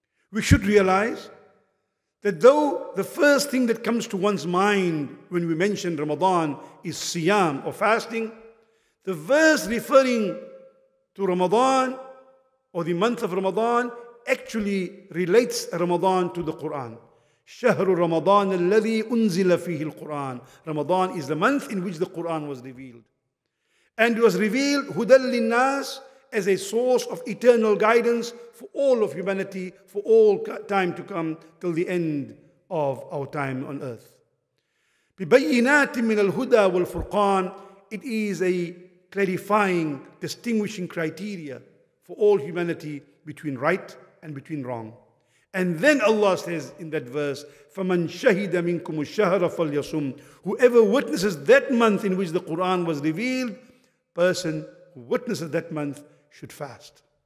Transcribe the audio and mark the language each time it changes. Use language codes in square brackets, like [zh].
[en] We should realize that though the first thing that comes to one's mind when we mention Ramadan is Siyam or fasting, the verse referring to Ramadan or the month of Ramadan actually relates Ramadan to the Quran. [ar] شهر رمضان الذي أنزل فيه القرآن. [en] Ramadan is the month in which the Quran was revealed. And it was revealed [ar] هدى للناس [en] as a source of eternal guidance for all of humanity, for all time to come till the end of our time on earth. [ar] ببينات من الهدى والفرقان. [en] It is a clarifying, distinguishing criteria for all humanity between right and between wrong. And then Allah says in that verse, [ar] فَمَنْ شَهِدَ مِنْكُمُ الشَّهْرَ فَلْيَصُمْ. [en] Whoever witnesses that month in which the Quran was revealed, person who witnesses that month should fast.